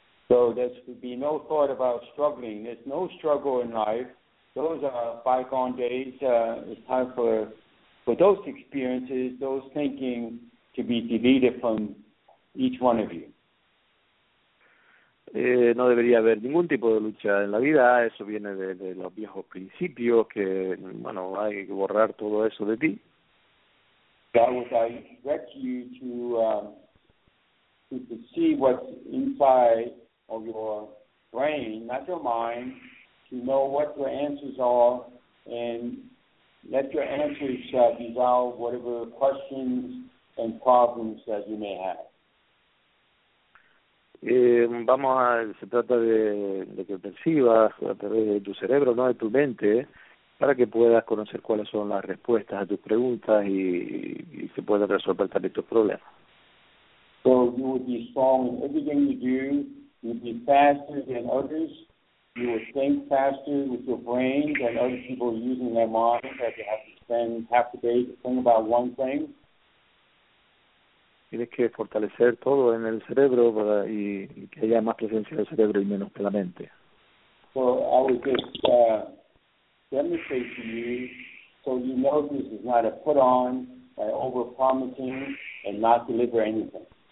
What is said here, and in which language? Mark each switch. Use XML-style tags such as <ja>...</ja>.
<en>So there should be no thought about struggling. There's no struggle in life. Those are bygone days. It's time for those experiences, those thinking to be deleted from each one of you.</en> <es>No debería haber ningún tipo de lucha en la vida, eso viene de los viejos principios, que bueno, hay que borrar todo eso de ti.</es> <en>That was, I direct you to see what's inside of your brain, not your mind, to know what your answers are, and let your answers resolve whatever questions and problems that you may have.</en> <es>Vamos a, se trata de que percibas a través de tu cerebro, no de tu mente, para que puedas conocer cuáles son las respuestas a tus preguntas y se puedan resolver también tus problemas.</es> <en>So you would be strong in everything you do, you would be faster than others, you would think faster with your brain than other people using their minds, that you have to spend half the day to think about one thing.</en> <es>Tienes que fortalecer todo en el cerebro para y que haya más presencia del cerebro y menos de la mente.</es> <en>So I would just demonstrate to you, so you know this is not a put on by overpromising and not deliver anything.</en>